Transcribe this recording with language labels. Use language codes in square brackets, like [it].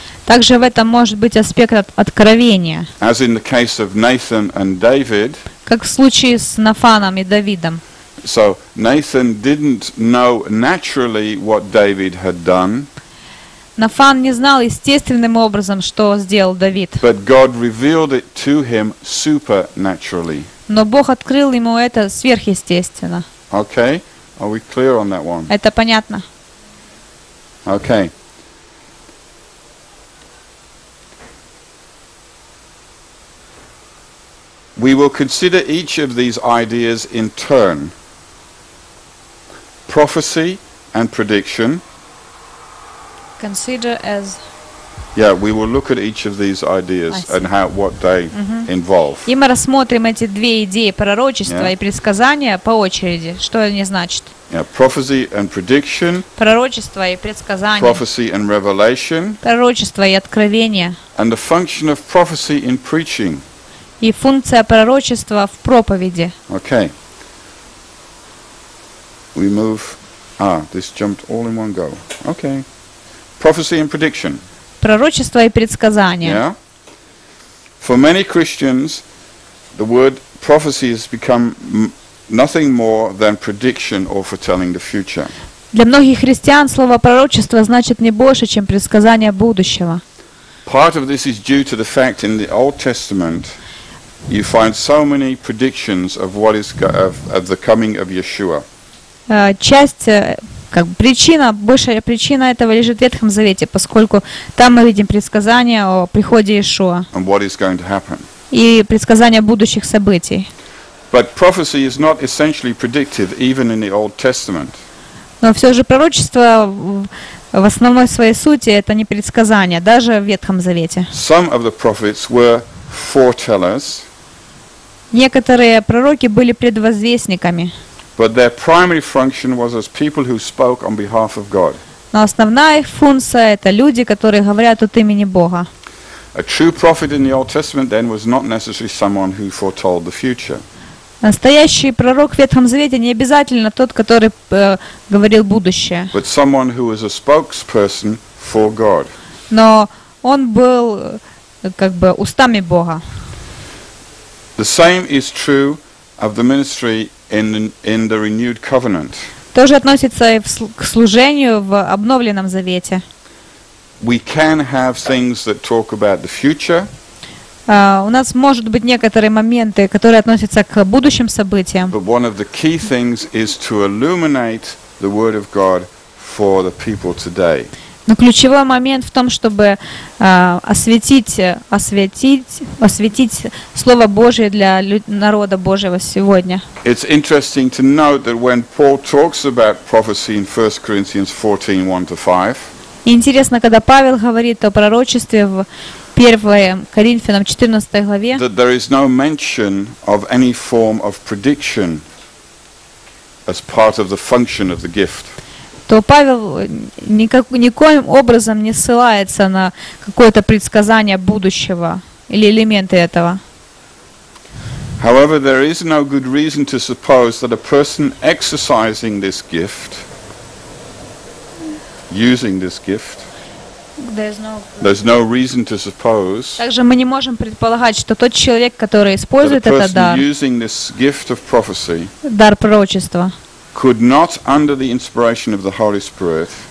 [ru] Также в этом может быть аспект откровения. [en] As in the case of Nathan and David. [ru] Как в случае с Нафаном и Давидом. [en] So Nathan didn't know naturally what David had done. [ru] Нафан не знал естественным образом, что сделал Давид. [en] But God revealed it to him supernaturally. [ru] Но Бог открыл ему это сверхъестественно. [en] Okay, are we clear on that one? [ru] Это понятно. [en] Okay. We will consider each of these ideas in turn. Prophecy and prediction. Consider as. Yeah, we will look at each of these ideas and how what they involve. [ru] И мы рассмотрим эти две идеи пророчества и предсказания по очереди. Что они значат? [en] Yeah, prophecy and prediction. [ru] Пророчество и предсказание. [en] Prophecy and revelation. [ru] Пророчество и откровение. [en] And the function of prophecy in preaching. [ru] И функция пророчества в проповеди. [en] Okay. We move. Ah, this jumped all in one go. Okay. Prophecy and prediction. [ru] Пророчество и предсказание. [en] Yeah. For many Christians, the word prophecy has become nothing more than prediction or foretelling the future. [ru] Для многих христиан слово пророчество значит не больше, чем предсказание будущего. [en] Part of this is due to the fact in the Old Testament. You find so many predictions of what is of the coming of Yeshua. [ru] Причина этого лежит в Ветхом Завете, поскольку там мы видим предсказания о приходе Иешуа. [en] And what is going to happen? [ru] И предсказания будущих событий. [en] But prophecy is not essentially predictive, even in the Old Testament. [ru] Но все же пророчество в основной своей сути это не предсказание, даже в Ветхом Завете. [en] Some of the prophets were foretellers. [ru] Некоторые пророки были предвозвестниками. [en] But their primary function was as people who spoke on behalf of God. [ru] Но основная их функция это люди, которые говорят от имени Бога. [en] A true prophet in the Old Testament then was not necessarily someone who foretold the future. [ru] Настоящий пророк в Ветхом Завете не обязательно тот, который говорил будущее. [en] But someone who was a spokesperson for God. [ru] Но он был как бы устами Бога. [en] The same is true of the ministry in the renewed covenant. [ru] Тоже относится к служению в обновленном завете. [en] We can have things that talk about the future. [ru] У нас может быть некоторые моменты, которые относятся к будущим событиям. [en] But one of the key things is to illuminate the word of God for the people today. [ru] Но ключевой момент в том, чтобы осветить Слово Божие для народа Божьего сегодня. [en] It's interesting to note that when Paul talks about prophecy in 1 Corinthians 14:1-5. [ru] Интересно, когда Павел говорит о пророчестве в 1 Коринфянам 14 главе. [en] That there is no mention of any form of prediction as part of the function of the gift. [ru] То Павел никоим образом не ссылается на какое-то предсказание будущего или элементы этого. [en] However, there is no good reason to suppose that a person exercising this gift, using this gift, there's no reason to suppose. [ru] Также мы не можем предполагать, что тот человек, который использует этот дар, [en] using this gift of prophecy, [ru] дар пророчества. [en] Could not under the inspiration of the Holy Spirit.